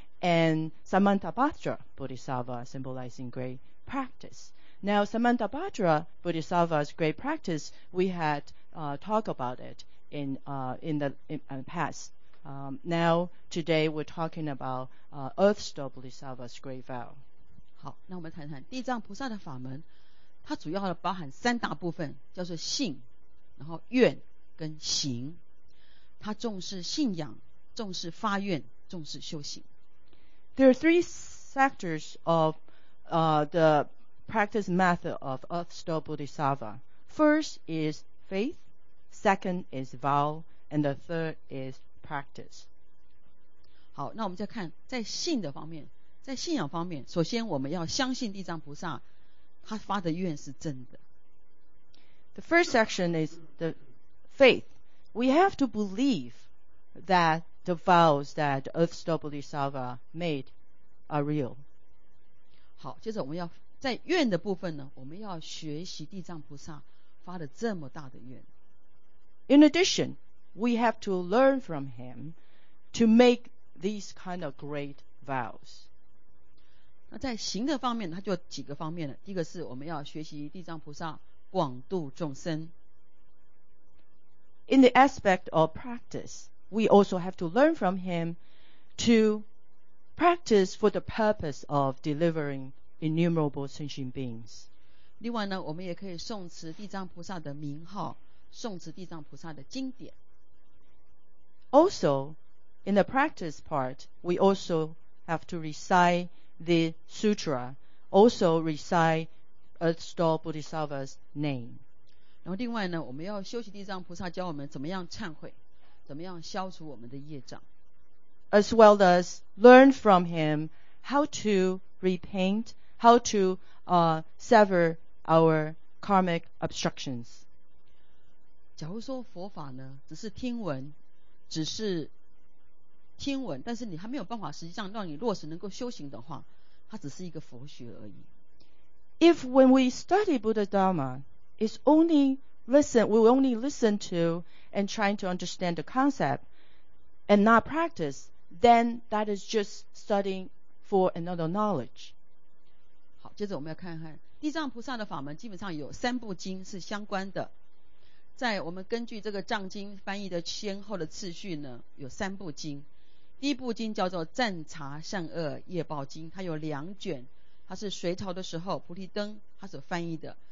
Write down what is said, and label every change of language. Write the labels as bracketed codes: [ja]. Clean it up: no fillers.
[en] And Samantabhadra Bodhisattva, symbolizing great practice. Now, Samantabhadra Bodhisattva's great practice, we had talked about it in the past. Now, today we're talking about Earthstall Bodhisattva's great vow. [zh] 好，那我们谈谈地藏菩萨的法门，它主要的包含三大部分，叫做信，然后愿跟行。它重视信仰，重视发愿，重视修行。 [en] There are three sectors of the practice method of Earth Store Bodhisattva. First is faith, second is vow, and the third is practice. [zh] 好，那我们再看在信的方面，在信仰方面，首先我们要相信地藏菩萨他发的愿是真的。 [en] The first section is the faith. We have to believe that the vows that Earth Store Bodhisattva made are real. [zh] 好，接着我们要在愿的部分呢，我们要学习地藏菩萨发了这么大的愿。 [en] In addition, we have to learn from him to make these kind of great vows. [zh] 那在行的方面，它就几个方面了。第一个是我们要学习地藏菩萨广度众生。 [en] In the aspect of practice, we also have to learn from him to practice for the purpose of delivering innumerable sentient beings. [zh] 另外呢，我们也可以诵持地藏菩萨的名号，诵持地藏菩萨的经典。 [en] Also, in the practice part, we also have to recite the sutra, also recite Earth Store Bodhisattva's name. [zh] 然后另外呢，我们要修习地藏菩萨教我们怎么样忏悔，怎么样消除我们的业障。 [en] As well as learn from him how to repent, how to sever our karmic obstructions. [zh] 假如说佛法呢，只是听闻，只是听闻，但是你还没有办法实际上让你落实能够修行的话，它只是一个佛学而已。 [en] If when we study Buddha Dharma, it's only listen, we only listen to and trying to understand the concept and not practice, then that is just studying for another knowledge. [zh] 好，接着我们要看看地藏菩萨的法门，基本上有三部经是相关的。在我们根据这个藏经翻译的先后的次序呢，有三部经。第一部经叫做《赞察善恶业报经》，它有两卷，它是隋朝的时候菩提灯他所翻译的。